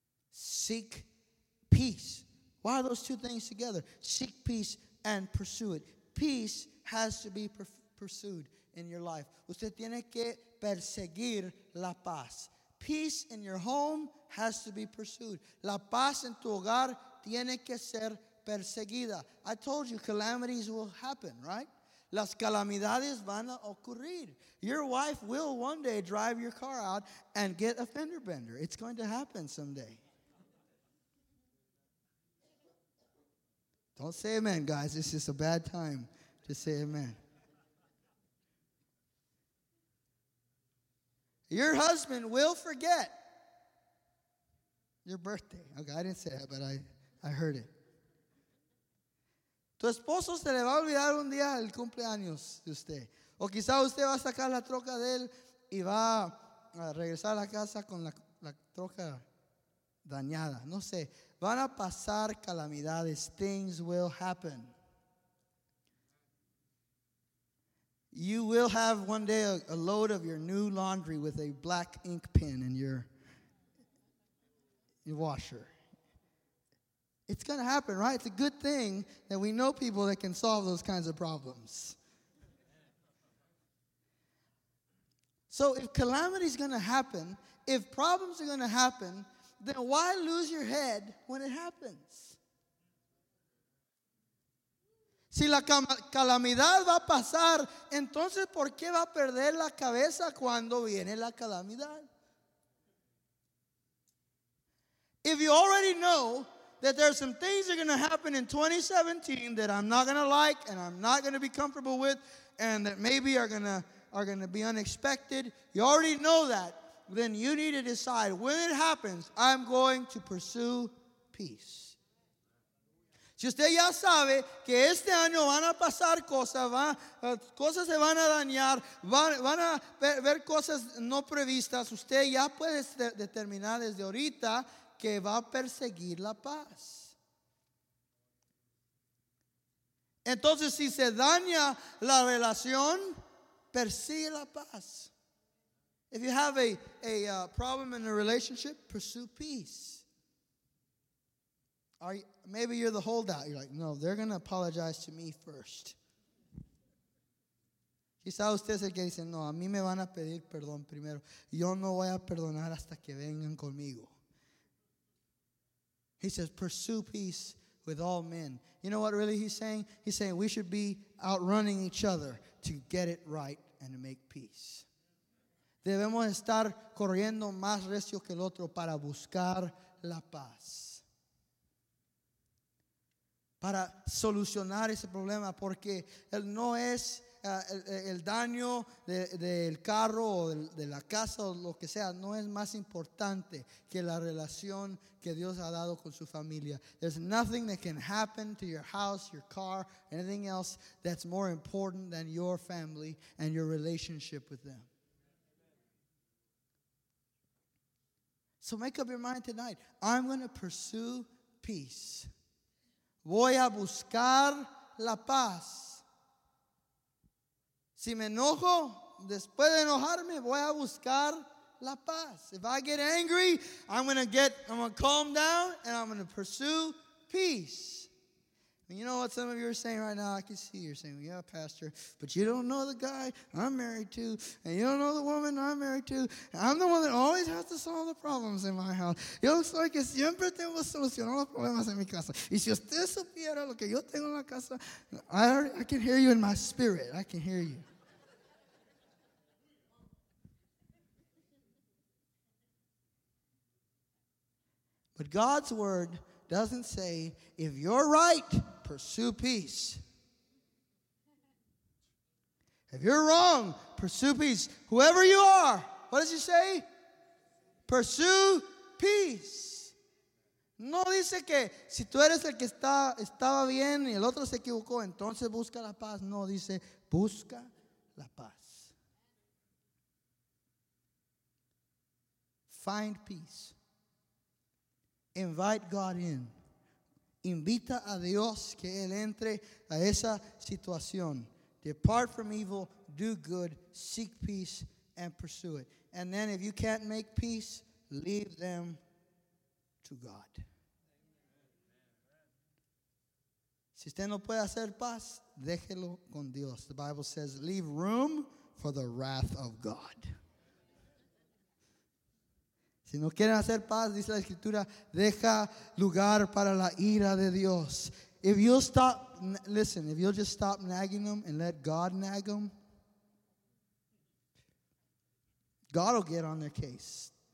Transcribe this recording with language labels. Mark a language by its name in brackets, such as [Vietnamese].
[English] Seek peace. Why are those two things together? Seek peace and pursue it. Peace has to be pursued in your life. [Spanish] Usted tiene que perseguir la paz. [English] Peace in your home has to be pursued. [Spanish] La paz en tu hogar tiene que ser perseguida. [English] I told you, calamities will happen, right? [Spanish] Las calamidades van a ocurrir. [English] Your wife will one day drive your car out and get a fender bender. It's going to happen someday. Don't say amen, guys. This is a bad time to say amen. Your husband will forget your birthday. Okay, I didn't say that, but I heard it. [Spanish] Tu esposo se le va a olvidar un día el cumpleaños de usted. O quizá usted va a sacar la troca de él y va a regresar a la casa con la troca dañada. No sé. Van a pasar calamidades. [English] Things will happen. You will have one day a load of your new laundry with a black ink pen in your washer. It's going to happen, right? It's a good thing that we know people that can solve those kinds of problems. So if calamity is going to happen, if problems are going to happen, then why lose your head when it happens? [Spanish] Si la calamidad va a pasar, entonces ¿por qué va a perder la cabeza cuando viene la calamidad? [English] If you already know that there are some things that are going to happen in 2017 that I'm not going to like and I'm not going to be comfortable with and that maybe are going to be unexpected, you already know that, then you need to decide when it happens, I'm going to pursue peace. [Spanish] Si usted ya sabe que este año van a pasar cosas se van a dañar, van a ver cosas no previstas, usted ya puede determinar desde ahorita que va a perseguir la paz. Entonces, si se daña la relación, persigue la paz. [English] If you have a problem in a relationship, pursue peace. Maybe you're the holdout. You're like, no, they're going to apologize to me first. [Spanish] Quizá usted es el que dice, no, a mí me van a pedir perdón primero. Yo no voy a perdonar hasta que vengan conmigo. [English] He says, pursue peace with all men. You know what really he's saying? He's saying we should be outrunning each other to get it right and to make peace. [Spanish] Debemos estar corriendo más recio que el otro para buscar la paz. Para solucionar ese problema, porque él no es el daño del carro o de la casa o lo que sea, no es más importante que la relación que Dios ha dado con su familia. [English] There's nothing that can happen to your house, your car, anything else that's more important than your family and your relationship with them. So make up your mind tonight. I'm going to pursue peace. Voy a buscar la paz. Si me enojo, después de enojarme, voy a buscar la paz. If I get angry, I'm going to calm down and I'm going to pursue peace. And you know what some of you are saying right now? I can see you're saying, yeah, Pastor, but you don't know the guy I'm married to, and you don't know the woman I'm married to. I'm the one that always has to solve the problems in my house. [Spanish] Yo soy que siempre tengo solucionado los problemas en mi casa. Y si usted supiera lo que yo tengo en la casa, [English] I can hear you in my spirit. I can hear you. But God's word doesn't say, if you're right, pursue peace. If you're wrong, pursue peace. Whoever you are, what does he say? Pursue peace. [Spanish] No dice que si tú eres el que estaba bien y el otro se equivocó, entonces busca la paz. No, dice busca la paz. [English] Find peace. Invite God in. [Spanish] Invita a Dios que él entre a esa situación. [English] Depart from evil, do good, seek peace, and pursue it. And then if you can't make peace, leave them to God. [Spanish] Si usted no puede hacer paz, déjelo con Dios. [English] The Bible says, leave room for the wrath of God. [Spanish] Si no quieren hacer paz, dice la Escritura, deja lugar para la ira de Dios. [English] If you'll stop, listen, if you'll just stop nagging them and let God nag them, God will get on their case.